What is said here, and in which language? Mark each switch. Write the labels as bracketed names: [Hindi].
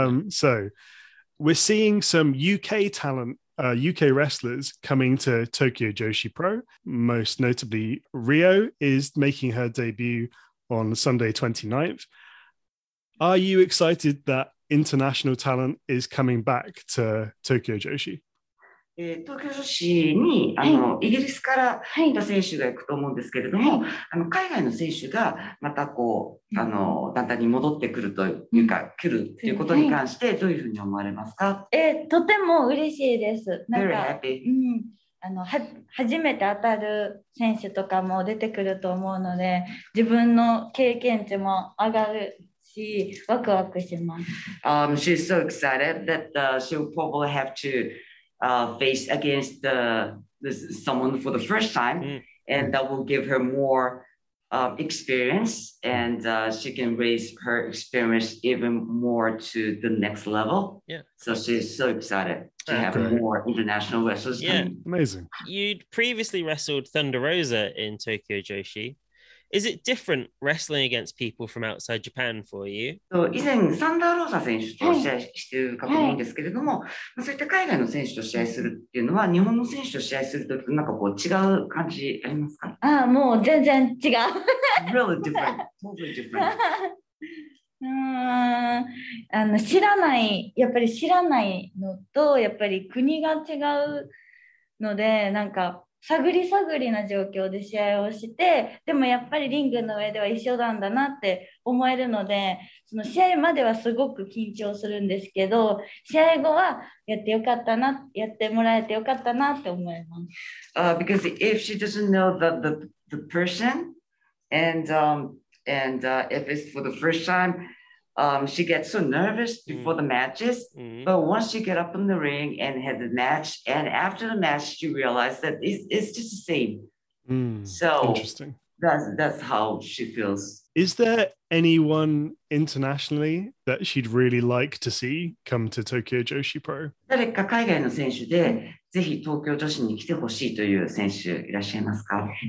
[English] So... We're seeing some UK talent, UK wrestlers coming to Tokyo Joshi Pro. Most notably, Rio is making her debut on Sunday 29th. Are you excited that international talent is coming back to Tokyo Joshi? [Japanese] Tokyo Joshi に、イギリスから来た選手が行くと思うんですけれども、海外の選手がまたこう、団体に戻ってくるというか、来るということに関して、どういうふうに思われますか？とても嬉しいです。なんか、 [English] Very happy. [Japanese] は初めて当たる選手とかも出てくると思うので、自分の経験値も上がる。ワクワクします。 [English] She's so excited that、she'll probably have to、face against someone for the first time、mm-hmm. and that will give her more、experience and、she can raise her experience even more to the next level. Yeah. So she's so excited to、have、great. More international wrestlers. Yeah. Amazing. You'd previously wrestled Thunder Rosa in Tokyo Joshi. Is it different wrestling against people from outside Japan for you? [Japanese] So, 以前サンダーローザ選手と試合してる方もいいんですけれども、そういった海外の選手と試合するっていうのは、日本の選手と試合するときとなんかこう違う感じありますか？ああ、もう全然違う。 [English] Really different. Totally different. [Japanese] 知らない、やっぱり知らないのと、やっぱり国が違うので、なんか、探り探りな状況で試合をしてでもやっぱりリングの上では一緒なんだなって思えるのでその試合まではすごく緊張するんですけど試合後はやってよかったなやってもらえてよかったなって思います、 [English] Because if she doesn't know the person and if it's for the first time、she gets so nervous before the matches、mm-hmm. but once she get up in the ring and had the match and after the match she realized that it's just the same、 mm-hmm. so interesting that's how she feels is there anyone internationally that she'd really like to see come to Tokyo Joshi Pro [Japanese] 誰か海外の選手でぜひ東京女子に来てほしいという選手いらっしゃいますか